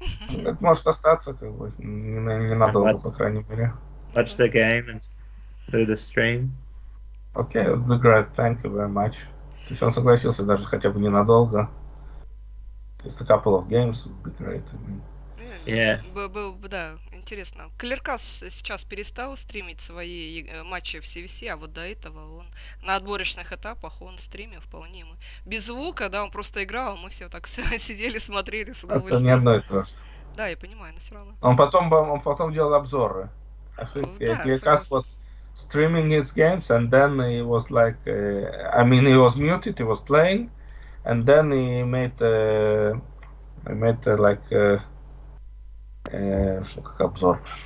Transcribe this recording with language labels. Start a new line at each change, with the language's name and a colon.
Russian: Это может остаться, как бы, ненадолго, по крайней мере.
English: Watch the game and do the stream. Okay, it'll be great, thank you very much.
Russian: То есть он согласился даже хотя бы ненадолго.
English: Just a couple of games would be great. Yeah.
Russian: Да, интересно. Клеркас сейчас перестал стримить свои матчи в CVC, а вот до этого он на отборочных этапах он стримил вполне. Без звука, да, он просто играл, мы все так сидели, смотрели с удовольствием. Это не одно и то же. Да, я понимаю, но все равно. Он потом делал обзоры.
English: Клеркас was streaming his games, and then he was like, he was muted, he was playing, and then he made обзор.